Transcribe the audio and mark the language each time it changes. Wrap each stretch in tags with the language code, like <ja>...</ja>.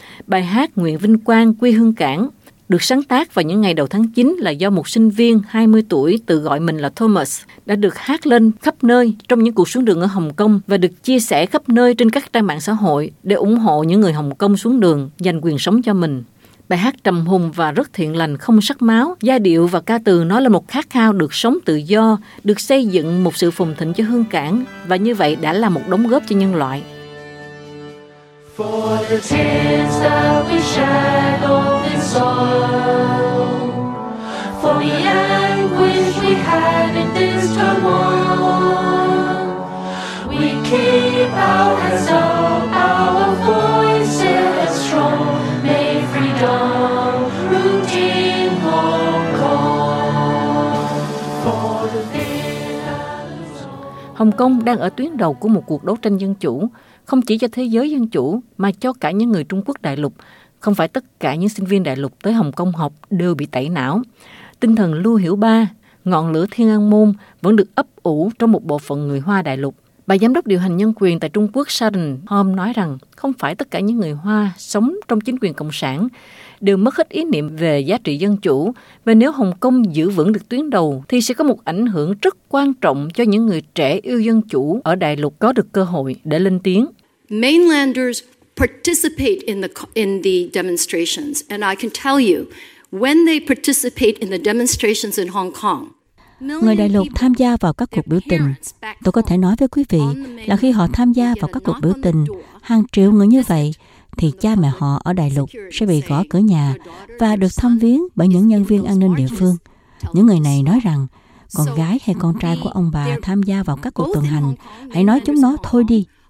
<vi>Bài hát Nguyện Vinh Quang, Quê Hương Cảng được sáng tác vào những ngày đầu tháng 9 là do một sinh viên 20 tuổi tự gọi mình là Thomas đã được hát lên khắp nơi trong những cuộc xuống đường ở Hồng Kông và được chia sẻ khắp nơi trên các trang mạng xã hội để ủng hộ những người Hồng Kông xuống đường giành quyền sống cho mình. Bài hát trầm hùng và rất thiện lành, không sắc máu, giai điệu và ca từ nói là một khát khao được sống tự do, được xây dựng một sự phồn thịnh cho hương cảng và như vậy đã là một đóng góp cho nhân loại.</vi> <en>For the tears that we shed on this soil, for the anguish we had in this turmoil, we keep our heads up, our voices strong, may freedom root in Hong Kong. For the</en> <vi>Hồng Kông đang ở tuyến đầu của một cuộc đấu tranh dân chủ, không chỉ cho thế giới dân chủ mà cho cả những người Trung Quốc đại lục. Không phải tất cả những sinh viên đại lục tới Hồng Kông học đều bị tẩy não. Tinh thần Lưu Hiểu Ba, ngọn lửa Thiên An Môn vẫn được ấp ủ trong một bộ phận người Hoa đại lục. Bà giám đốc điều hành nhân quyền tại Trung Quốc Sharon Holm nói rằng không phải tất cả những người Hoa sống trong chính quyền cộng sản đều mất hết ý niệm về giá trị dân chủ, và nếu Hồng Kông giữ vững được tuyến đầu thì sẽ có một ảnh hưởng rất quan trọng cho những người trẻ yêu dân chủ ở đại lục có được cơ hội để lên tiếng.</vi> <en>Mainlanders participate in the demonstrations, and I can tell you when they participate in the demonstrations in Hong Kong.</en> <vi>Người đại lục tham gia vào các cuộc biểu tình. Tôi có thể nói với quý vị là khi họ tham gia vào các cuộc biểu tình, hàng triệu người như vậy, thì cha mẹ họ ở đại lục sẽ bị gõ cửa nhà và được thăm viếng bởi những nhân viên an ninh địa phương. Những người này nói rằng, con gái hay con trai của ông bà tham gia vào các cuộc tuần hành, hãy nói chúng nó thôi đi.</vi>